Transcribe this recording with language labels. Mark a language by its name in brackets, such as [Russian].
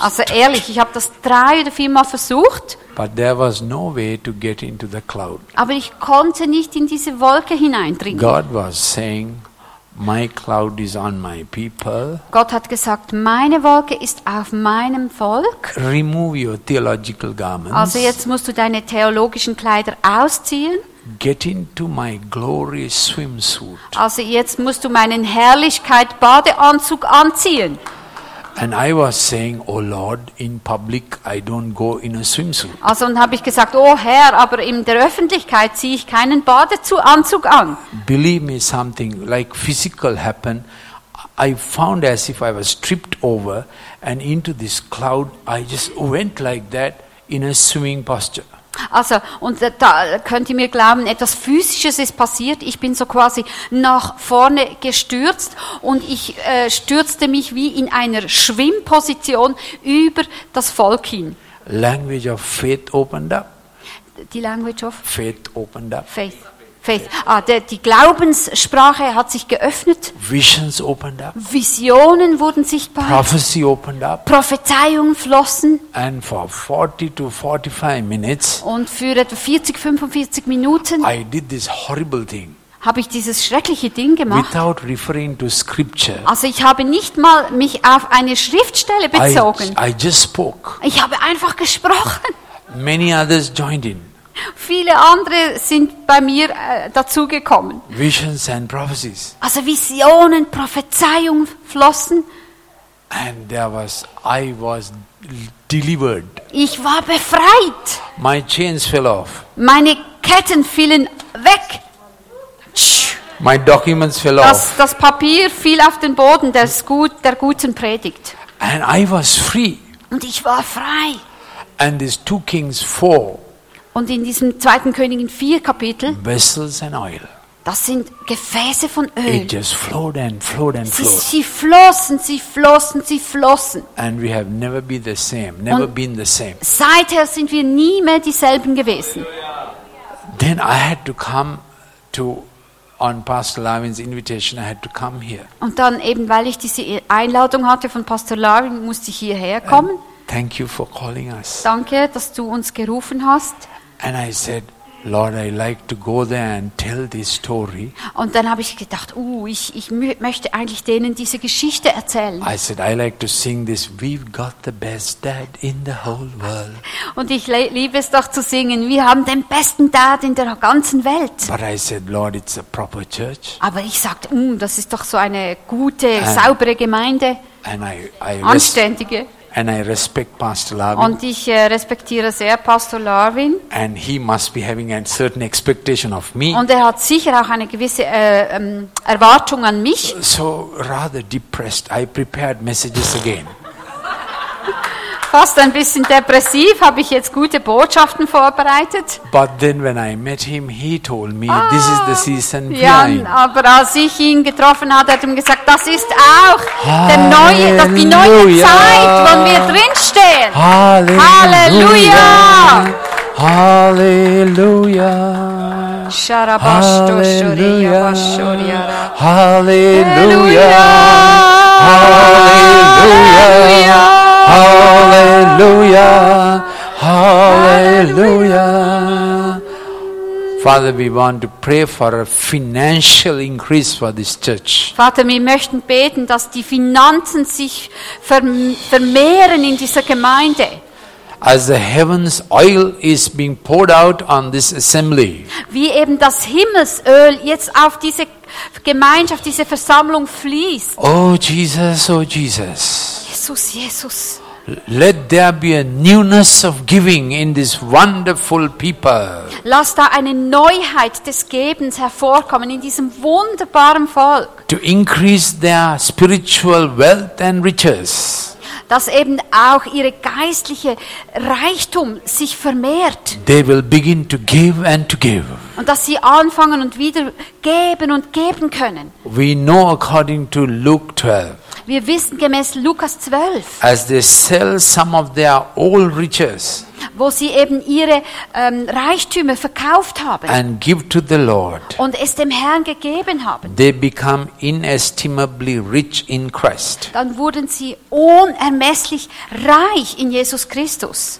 [German] Also ehrlich, ich habe das 3 oder 4 Mal versucht. [English] But there was no way to get into the cloud. [German] Aber ich konnte nicht in diese Wolke hineindringen. [English] God was saying, my cloud is on my people. [German] Gott hat gesagt, meine Wolke ist auf meinem Volk. [English] Remove your theological garments. [German] Also jetzt musst du deine theologischen Kleider ausziehen. [English] Get into my glorious swimsuit. [German] Also jetzt musst du meinen Herrlichkeit-Badeanzug anziehen. [English] And I was saying, oh Lord, in public I don't go in a swimsuit. [German] Also und habe ich gesagt, oh Herr, aber in der Öffentlichkeit ziehe ich keinen Badeanzug an. [English] Believe me, something like physical happened. I found as if I was tripped over and into this cloud I just went like that in a swimming posture. [German] Also, und da könnt ihr mir glauben, etwas Physisches ist passiert. Ich bin so quasi nach vorne gestürzt und ich stürzte mich wie in einer Schwimmposition über das Volk hin. [English] Language of faith opened up. [German] Die [English] Language of? Faith opened up. Faith. Faith. [German] Ah, die Glaubenssprache hat sich geöffnet. [English] Visions opened up. [German] Visionen wurden sichtbar. [English] Prophecy opened up. [German] Prophezeiungen flossen. [English] And for 40 to 45 minutes. [German] Und für etwa 40, 45 Minuten. [English] I did this horrible thing. [German] Habe ich dieses schreckliche Ding gemacht. [English] Without referring to scripture. [German] Also ich habe nicht mal mich auf eine Schriftstelle bezogen. [English] I just spoke. [German] Ich habe einfach gesprochen. [English] Many others joined in. [German] Viele andere sind bei mir dazugekommen. [English] Visions and prophecies. [German] Also Visionen, Prophezeiungen flossen. [English] And there was, I was delivered. [German] Ich war befreit. [English] My chains fell off. [German] Meine Ketten fielen weg. [English] My documents fell off. [German] Das Papier fiel auf den Boden der guten Predigt. [English] And I was free. [German] Und ich war frei. [English] And these 2 Kings 4. [German] Und in diesem 2. Königin 4 Kapitel, [English] Vessels and oil. [German] Das sind Gefäße von Öl. [English] It just flowed and flowed and flowed. [German] Sie flossen, sie flossen, sie flossen. [English] And we have never been the same, never been the same. [German] Seither sind wir nie mehr dieselben gewesen. [English] Then I had to come to on Pastor Larvin's invitation, I had to come here. [German] Und dann eben, weil ich diese Einladung hatte von Pastor Larvin, musste ich hierher kommen. [English] Thank you for calling us. [German] Danke, dass du uns gerufen hast. [English] And I said, Lord, I like to go there and tell this story. [German] Und dann habe ich gedacht, ich möchte eigentlich denen diese Geschichte erzählen. [English] I said, I like to sing this. We've got the best dad in the whole world. [German] Und ich liebe es doch zu singen. Wir haben den besten Dad in der ganzen Welt. [English] But I said, Lord, it's a proper church. [German] Aber ich sagte, das ist doch so eine gute, saubere Gemeinde. [English] And [German] anständige. [English] And I respect Pastor Larvin. [German] Und ich respektiere sehr Pastor Larvin. [English] And he must be having a certain expectation of me. [German] Und er hat sicher auch eine gewisse Erwartung an mich. [English] So rather depressed, I prepared messages again. [German] Fast ein bisschen depressiv, habe ich jetzt gute Botschaften vorbereitet. [English] But then when I met him, he told me, this is the season we are in. [German] Aber als ich ihn getroffen hatte, hat er ihm gesagt, das ist auch die neue Zeit, wo wir drinstehen. Halleluja! Halleluja! Halleluja! Halleluja! Halleluja! [English] Hallelujah, hallelujah. Father, we want to pray for a financial increase for this church. [German] Vater, wir möchten beten, dass die Finanzen sich vermehren in dieser Gemeinde. [English] As the heaven's oil is being poured out on this assembly. [German] Wie eben das Himmelsöl jetzt auf diese Gemeinschaft, diese Versammlung fließt. [English] Oh Jesus, oh Jesus. [German] Jesus, Jesus. [English] Let there be a newness of giving in this wonderful people. [German] Lass da eine Neuheit des Gebens hervorkommen in diesem wunderbaren Volk. [English] To increase their spiritual wealth and riches. [German] Dass eben auch ihre geistliche Reichtum sich vermehrt. [English] They will begin to give and to give. [German] Und dass sie anfangen und wieder geben und geben können. [English] We know according to Luke 12. [German] Wir wissen gemäß Lukas 12, [English] as they sell some of their old riches, [German] wo sie eben ihre Reichtümer verkauft haben [English] and give to the Lord, [German] und es dem Herrn gegeben haben, [English] they become inestimably rich in Christ. [German] Dann wurden sie unermesslich reich in Jesus Christus.